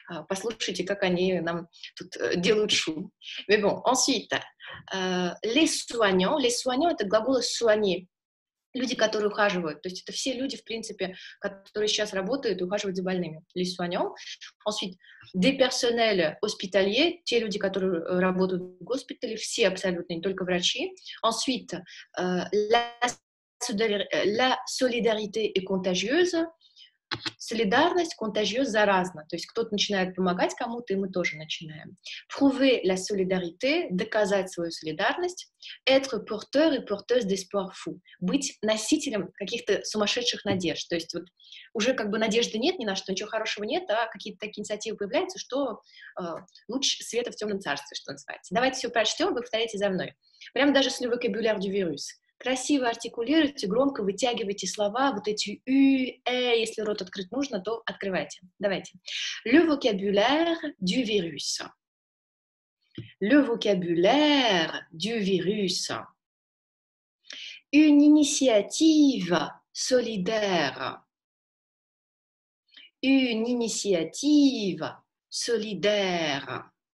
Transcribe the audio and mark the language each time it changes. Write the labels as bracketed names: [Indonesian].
[Russian] Послушайте, как они нам тут делают шум. [French] Mais bon, ensuite, les soignants, [Russian] это глагол soigner, люди, которые ухаживают, то есть это все люди, в принципе, которые сейчас работают и ухаживают за больными, les soignants. [French] Ensuite, des personnels hospitaliers, [Russian] те люди, которые работают в госпитале, все абсолютно, не только врачи. [French] Ensuite, la solidarité est contagieuse. [Russian] Солидарность контагиоз заразна, то есть кто-то начинает помогать кому-то, и мы тоже начинаем. [French] Prouver la solidarité, [Russian] доказать свою солидарность. [French] Être porteur et porteuse d'espoir fou, [Russian] быть носителем каких-то сумасшедших надежд. То есть вот уже как бы надежды нет ни на что, ничего хорошего нет, а какие-то такие инициативы появляются, что луч света в темном царстве, что называется. Давайте все прочтем, вы повторяете за мной. Прямо даже с [French] le vocabulaire du virus. [Russian] Красиво артикулируйте, громко вытягивайте слова, вот эти «ю», «э», если рот открыть нужно, то открывайте. Давайте. [French] Le vocabulaire du virus. Le vocabulaire du virus. Une initiative solidaire. Une initiative solidaire.